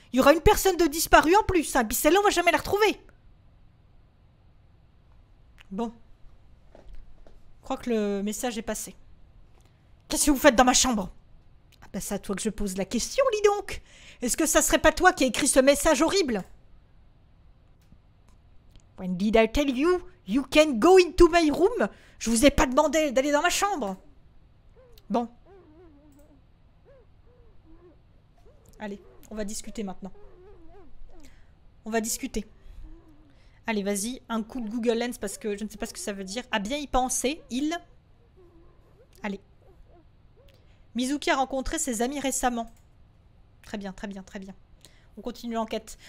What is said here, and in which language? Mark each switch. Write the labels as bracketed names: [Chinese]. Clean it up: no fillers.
[French] Il y aura une personne de disparue en plus, hein, puis celle-là, on va jamais la retrouver. Bon. Je crois que le message est passé. Qu'est-ce que vous faites dans ma chambre? Ah bah, c'est à toi que je pose la question, dis donc. Est-ce que ça serait pas toi qui a écrit ce message horrible? [English] When did I tell you, you can go into my room? [French] Je vous ai pas demandé d'aller dans ma chambre. Bon. Allez, on va discuter maintenant. On va discuter. Allez, vas-y, un coup de Google Lens parce que je ne sais pas ce que ça veut dire. À bien y penser, il... Allez. Mizuki a rencontré ses amis récemment. Très bien, très bien, très bien. On continue l'enquête.